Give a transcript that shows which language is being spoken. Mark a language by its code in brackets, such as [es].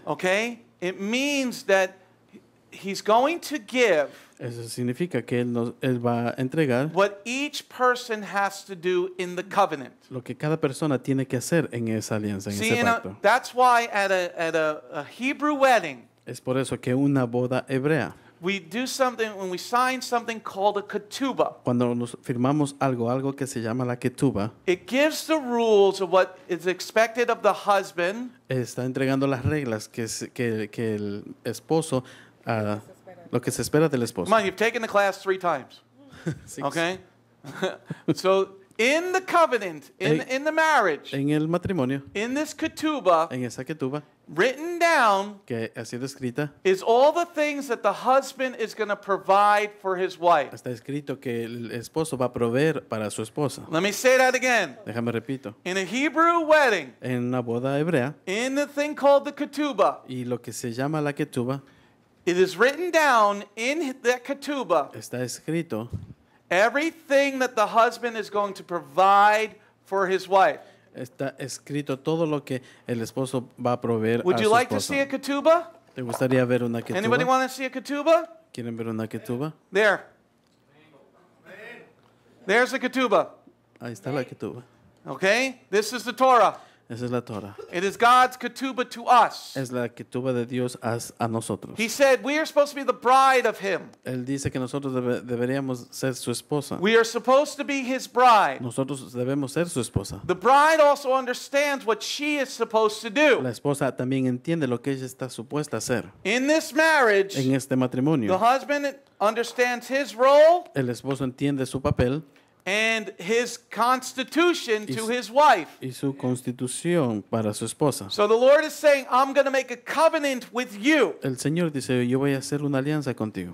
[en] okay, it means that he's going to give, [es] eso significa que él va a entregar, [en] what each person has to do in the covenant, [es] lo que cada persona tiene que hacer en esa alianza, [en] see, [es] en ese pacto. [en] That's why at a Hebrew wedding, [es] es por eso que una boda hebrea, [en] we do something, when we sign something called a ketubah. [es] Cuando nos firmamos algo que se llama la ketubah. [en] It gives the rules of what is expected of the husband. [es] Está entregando las reglas que el esposo, lo que se espera del esposo. [en] Come on, you've taken the class three times. Six. Okay? So, in the covenant, in the marriage. [es] En el matrimonio. [en] In this ketubah. [es] En esa ketubah. [en] Written down, [es] que ha sido escrita, [en] is all the things that the husband is going to provide for his wife. [es] Está escrito que el esposo va a proveer para su esposa. [en] Let me say that again. [es] Déjame repito. [en] In a Hebrew wedding, [es] en una boda hebrea, [en] in the thing called the ketubah, [es] y lo que se llama la ketubah, [en] it is written down in that ketubah, [es] está escrito, [en] everything that the husband is going to provide for his wife. [es] Está escrito todo lo que el esposo va a proveer a su esposa. [en] Like to see a ketubah? [es] ¿Te gustaría ver una ketubah? [en] Anybody want to see a ketubah? [es] ¿Quieren ver una ketubah? [en] There. There's the ketubah. [es] Ahí está la ketubah. [en] Okay? This is the Torah. [es] Esa es la Torah. [en] It is God's ketubah to us. [es] Es la ketubah de Dios a nosotros. [en] He said we are supposed to be the bride of him. [es] Él dice que nosotros deberíamos ser su esposa. [en] We are supposed to be his bride. [es] Nosotros debemos ser su esposa. [en] The bride also understands what she is supposed to do. [es] La esposa también entiende lo que ella está supuesta a hacer. [en] In this marriage, [es] en este matrimonio, [en] the husband understands his role. [es] El esposo entiende su papel. [en] And his constitution to his wife. [es] Y su constitución para su esposa. [en] So the Lord is saying, I'm going to make a covenant with you. [es] El Señor dice, yo voy a hacer una alianza contigo.